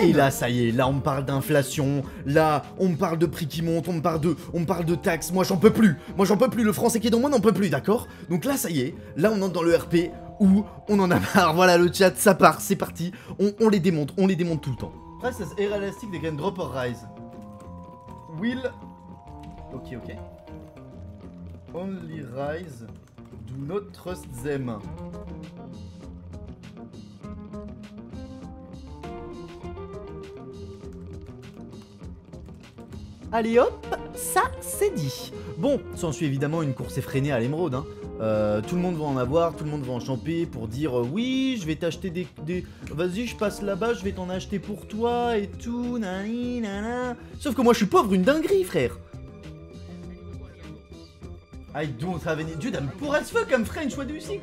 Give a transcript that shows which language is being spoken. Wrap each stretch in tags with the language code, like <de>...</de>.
<fr>Et là, ça y est, là, on parle d'inflation. Là, on parle de prix qui montent, on parle de taxes. Moi, j'en peux plus. Le français qui est dans moi n'en peut plus, d'accord? Donc là, ça y est, là, on entre dans le RP où on en a marre. Voilà, le chat, ça part, c'est parti. On les démonte tout le temps.</fr> <en>Prices air elastic, they can drop or rise. Will... Ok. Only rise... Do not trust them.</en> <fr>Allez hop, ça c'est dit. Bon, s'en suit évidemment une course effrénée à l'émeraude. Hein. Tout le monde va en avoir, tout le monde va en champer pour dire oui, je vais t'acheter des... Vas-y, je passe là-bas, je vais t'en acheter pour toi et tout. Nanana. Sauf que moi je suis pauvre, une dinguerie, frère.</fr> <en>I don't have any... Dude, I'm poor as fuck, I'm French, what do you think?</en>